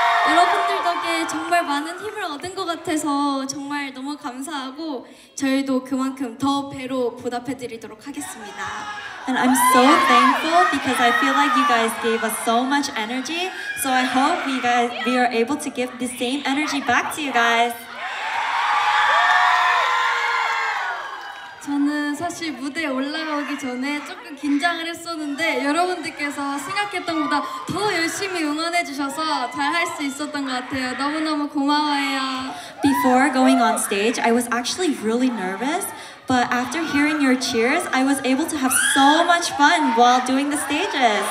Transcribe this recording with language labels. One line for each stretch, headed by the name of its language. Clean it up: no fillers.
Korean: 여러분들 덕에 정말 많은 힘을 얻은 것 같아서 정말 너무 감사하고 저희도 그만큼 더 배로 보답해 드리도록 하겠습니다.
English: And I'm so thankful because I feel like you guys gave us so much energy. So I hope we are able to give the same energy back to you guys.
Korean: 저는 사실 무대에 올라오기 전에 조금 긴장을 했었는데 여러분들께서 생각했던 것보다 더 열심히 응원해 주셔서 잘 할 수 있었던 것 같아요. 너무너무 고마워요.
English: Before going on stage, I was actually really nervous. But after hearing your cheers, I was able to have so much fun while doing the stages.